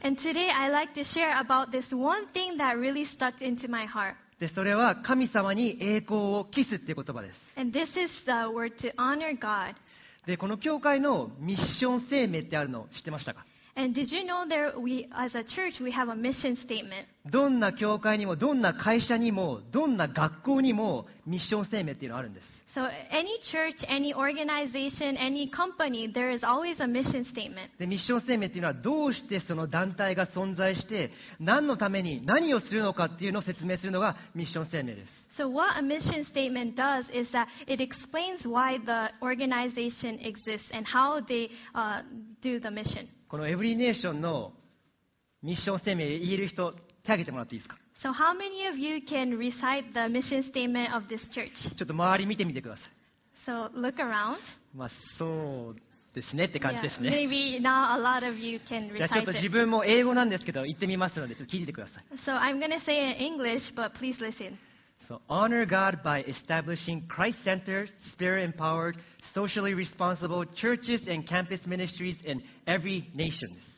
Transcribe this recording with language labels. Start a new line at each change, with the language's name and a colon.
English: And today I like to share about this one thing that really stuck into my heart.
Japanese: でそれは神様に栄光を期すっていう言葉です。
English: And this is the word to honor God.
Japanese: でこの教会のミッション声明ってあるの知ってましたか？
English: And did you know there we as a church we have a mission statement?
Japanese: どんな教会にもどんな会社にもどんな学校にもミッション声明っていうのあるんです。
English: So any church, any organization, any company, there is always a mission statement.
Japanese: で、ミッション声明っていうのはどうしてその団体が存在して、何のために何をするのかっていうのを説明するのがミッション声明です。
English: So what a mission statement does is that it explains why the organization exists and how they do the mission.
Japanese: このエブリネーションのミッション声明言える人手挙げてもらっていいですか？
English: So how many of you can recite the mission statement of this church?
Japanese: ちょっと周り見てみてください。
English: So look around.
Japanese: まあそうですねって感じですね。
English: Yeah, maybe not a lot of you can recite it.
Japanese: じゃあちょっと自分も英語なんですけど言ってみますのでちょっと聞いててください。
English: So I'm gonna say in English, but please listen. So honor God by establishing Christ-centered, Spirit-empowered, socially responsible churches and campus ministries in every nation.